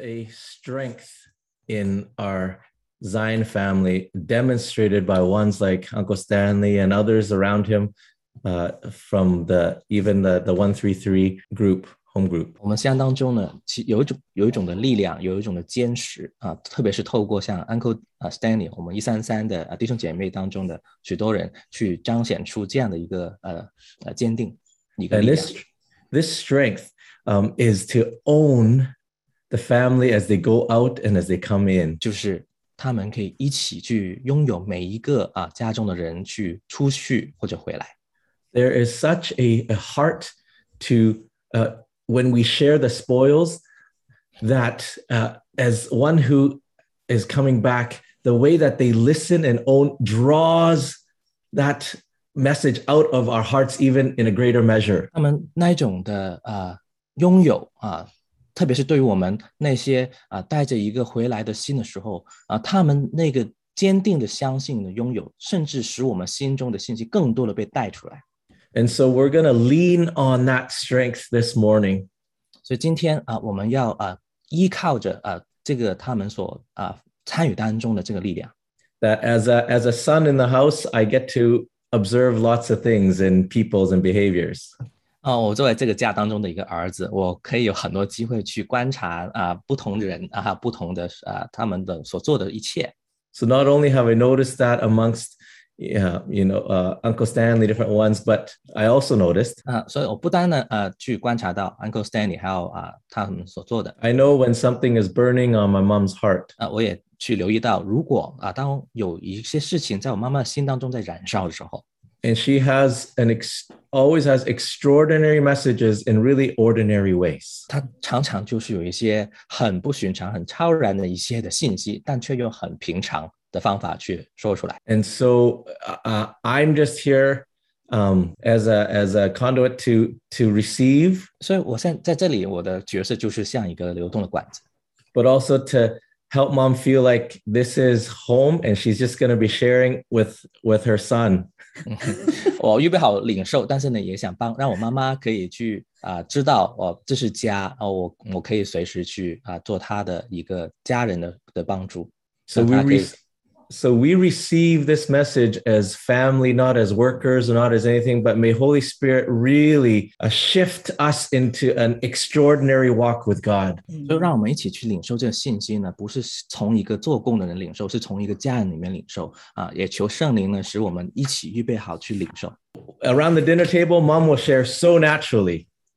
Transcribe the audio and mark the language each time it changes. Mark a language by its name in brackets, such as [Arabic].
[English] Strength in our Zion family, demonstrated by ones like Uncle Stanley and others around him, from the even the 133 group home group. [Chinese] 我们信仰当中呢，有一种的力量，有一种的坚实啊，特别是透过像 Uncle Stanley， 我们133的弟兄姐妹当中的许多人，去彰显出这样的一个坚定一个力量。 [English] And this strength is to own the family as they go out and as they come in. [Chinese] 就是他们可以一起去拥有每一个家中的人去出去或者回来。 [English] There is such a heart to, when we share the spoils, that as one who is coming back, the way that they listen and own draws that message out of our hearts even in a greater measure. [Chinese] 他们那种的拥有特别是对于我们那些带着一个回来的心的时候他们那个坚定的相信的拥有甚至使我们心中的信息更多的被带出来。 [English] And so we're going to lean on that strength this morning. [Chinese] 所以今天我们要依靠着这个他们所参与当中的这个力量。 [English] That as a son in the house, I get to observe lots of things in peoples and behaviors. [Chinese] 我作为这个家当中的一个儿子，我可以有很多机会去观察不同的人不同的他们的所做的一切。 [English] So not only have I noticed that amongst, Uncle Stanley, different ones, but I also noticed. [Chinese] 所以我不单呢去观察到 Uncle Stanley 还有他们所做的。 [English] I know when something is burning on my mom's heart. [Chinese] 我也去留意到，如果当有一些事情在我妈妈心当中在燃烧的时候。 [English] And she has always has extraordinary messages in really ordinary ways. [Chinese] 她常常就是有一些很不寻常、很超然的一些的信息，但却用很平常的方法去说出来。 [English] And so, I'm just here, as a conduit to receive. [Chinese] 所以我现在在这里，我的角色就是像一个流动的管子。 [English] But also to help mom feel like this is home, and she's just going to be sharing with her son. [Chinese] 我预备好领受，但是呢，也想帮让我妈妈可以去知道哦，这是家哦，我可以随时去做她的一个家人的帮助。 [English] So we we receive this message as family, not as workers, not as anything, but may Holy Spirit really shift us into an extraordinary walk with God. [Chinese] 就让我们一起去领受这个信心呢，不是从一个做工的人领受，是从一个家人里面领受啊，也求圣灵呢，使我们一起预备好去领受。 [English] Around the dinner table, mom will share so naturally.